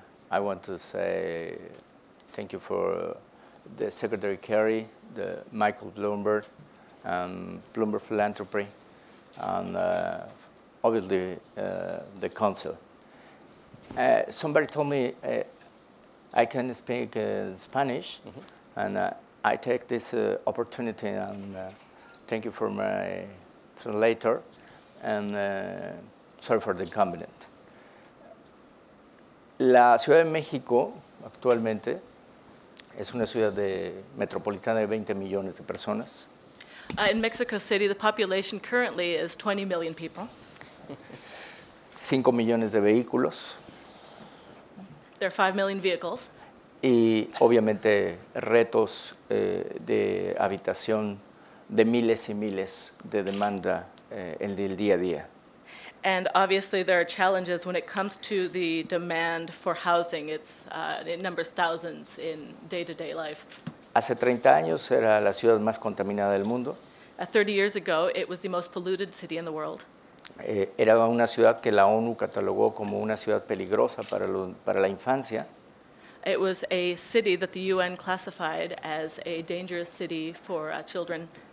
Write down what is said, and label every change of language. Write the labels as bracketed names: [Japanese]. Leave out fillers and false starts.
[English] I want to say thank you for the Secretary Kerry, the Michael Bloomberg, and Bloomberg Philanthropy, and obviously the Council. Somebody told me I can speak Spanish, mm-hmm. and I take this opportunity and thank you for my translator. And sorry for the inconvenience. [Spanish] La Ciudad de México actualmente es una ciudad de metropolitana de 20 millones de personas. [English] In Mexico City, the population currently is 20 million people. [Spanish] 5 millones de vehículos. [English] There are 5 million vehicles. [Spanish] Y obviamente retos de habitación de miles y miles de demanda. El día a día. [English] And obviously there are challenges when it comes to the demand for housing. It numbers thousands in day-to-day life. [Spanish] Hace 30 años era la ciudad más contaminada del mundo. [English] 30 years ago, it was the most polluted city in the world. [Spanish] era una ciudad que la ONU catalogó como una ciudad peligrosa para, lo, para la infancia. [English] It was a city that the UN classified as a dangerous city for children.